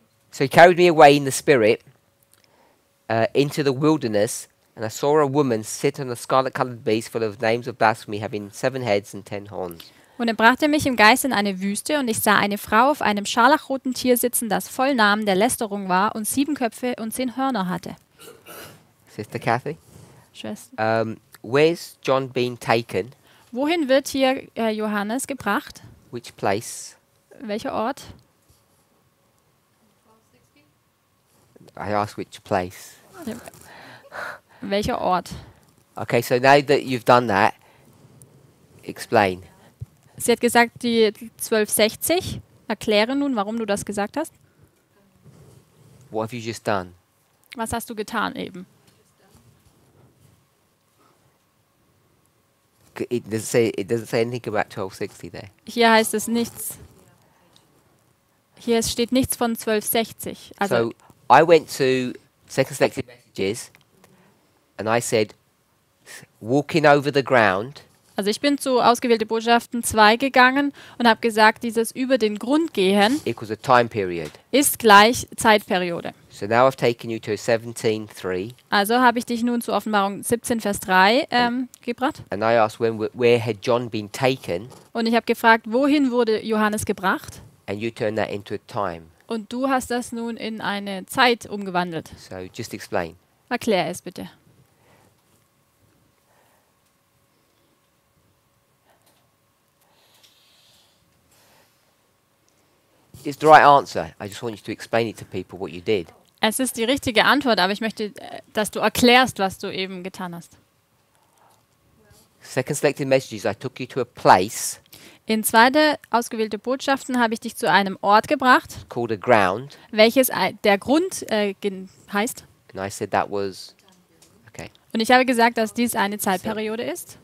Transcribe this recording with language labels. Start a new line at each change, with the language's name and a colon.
English: So he carried me away in the spirit into the wilderness, and I saw a woman sit on a scarlet-colored beast full of names of blasphemy, having 7 heads and 10 horns.
German: Und er brachte mich im Geist in eine Wüste, und ich sah eine Frau auf einem scharlachroten Tier sitzen, das voll Namen der Lästerung war und 7 Köpfe und 10 Hörner hatte.
English: Sister Kathy?
German: Schwester.
English: Where's John been taken?
German: Wohin wird hier Johannes gebracht?
English: Which place?
German: Welcher Ort?
English: I ask which place.
German: Welcher Ort?
English: Okay, so now that you've done that, explain.
German: Sie hat gesagt, die 1260. Erkläre nun, warum du das gesagt hast.
English: What have you just done?
German: Was hast du getan eben?
English: It doesn't say anything about 1260 there.
German: Hier heißt es nichts. Hier steht nichts von 1260. Also
English: so I went to Second Selected Messages and I said walking over the ground.
German: Also ich bin zu ausgewählte Botschaften 2 gegangen und habe gesagt, dieses über den Grund gehen
English: equals a time period.
German: Ist gleich Zeitperiode.
English: So now I've taken you to 17:3.
German: Also habe ich dich nun zu Offenbarung 17, Vers 3 gebracht.
English: And I asked where had John been taken.
German: Und ich habe gefragt, wohin wurde Johannes gebracht?
English: And you turned that into a time.
German: Und du hast das nun in eine Zeit umgewandelt.
English: So just explain.
German: Erklär es bitte.
English: It's the right answer. I just want you to explain it to people what you did.
German: Es ist die richtige Antwort, aber ich möchte, dass du erklärst, was du eben getan hast.
English: Second selected messages, I took you to a place.
German: In zweite ausgewählte Botschaften habe ich dich zu einem Ort gebracht.
English: Called a ground.
German: Welches der Grund heißt?
English: And I said that was okay.
German: Und ich habe gesagt, dass dies eine Zeitperiode ist.